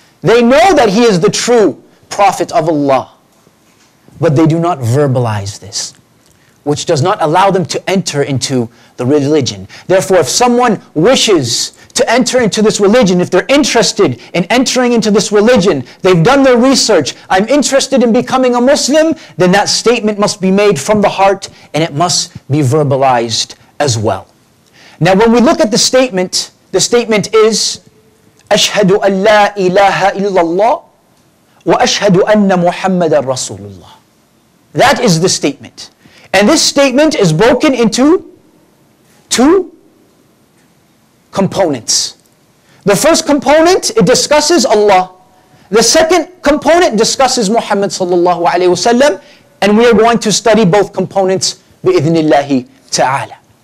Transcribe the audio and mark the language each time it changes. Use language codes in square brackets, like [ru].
[en] They know that he is the true prophet of Allah. But they do not verbalize this, which does not allow them to enter into the religion. Therefore, if someone wishes to enter into this religion, if they're interested in entering into this religion, they've done their research, I'm interested in becoming a Muslim, then that statement must be made from the heart and it must be verbalized as well. Now, when we look at the statement is, [ar] أَشْهَدُ أَنْ لَا إِلَهَ إِلَّا اللَّهِ وَأَشْهَدُ أَنَّ مُحَمَّدًا رَسُولُ اللَّهِ. [en] That is the statement. And this statement is broken into two components. The first component, it discusses Allah. The second component discusses Muhammad sallallahu alayhi wasallam. And we are going to study both components bi-idhnillahi ta'ala.